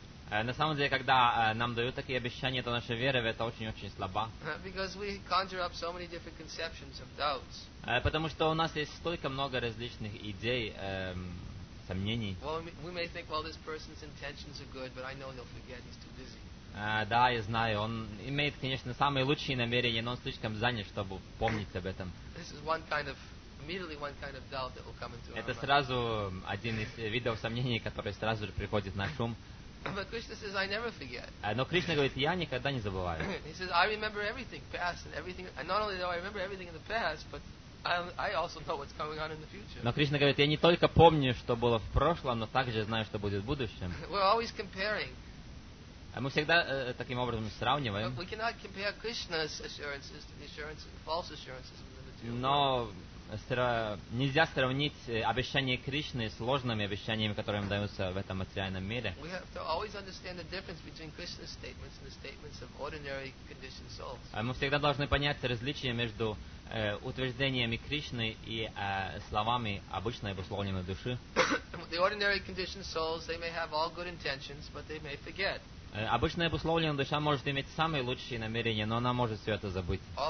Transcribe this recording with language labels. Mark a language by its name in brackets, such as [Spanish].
[Russian] На самом деле, когда нам дают такие обещания, то наша вера в это очень-очень слаба. [English] Because we conjure up so many different conceptions of doubts. [Russian] Потому что у нас есть столько много различных идей, сомнений. [English] Well, we may think, well, this person's intentions are good, but I know he'll forget, he's too busy. [Russian] Да, я знаю, он имеет, конечно, самые лучшие намерения, но он слишком занят, чтобы помнить об этом. [English] This is one kind of... Immediately one kind of doubt that will come into our mind. [Russian] Это сразу один из видов сомнений, который сразу же приходит на шум. [English] But Krishna says, I never forget. [Russian] Но Кришна говорит, я никогда не забываю. [English] He says, I remember everything, past and everything. And not only do I remember everything in the past, but I also know what's coming on in the future. [Russian] Но Кришна говорит, я не только помню, что было в прошлом, но также знаю, что будет в будущем. [English] We're always comparing. [Russian] Мы всегда таким образом сравниваем. [English] But we cannot compare Krishna's assurances to the assurances, the false assurances of the material. [Russian] Но нельзя сравнить обещания Кришны с ложными обещаниями, которые им даются в этом материальном мире. [English] We have to always understand the difference between Krishna's statements and the statements of ordinary conditioned souls. [Russian] Мы всегда должны понять различие между утверждениями Кришны и словами обычной обусловленной души. [English] The ordinary conditioned souls, they may have all good intentions, but they may forget. [Russian] Обычная обусловленная душа может иметь самые лучшие намерения, но она может все это забыть.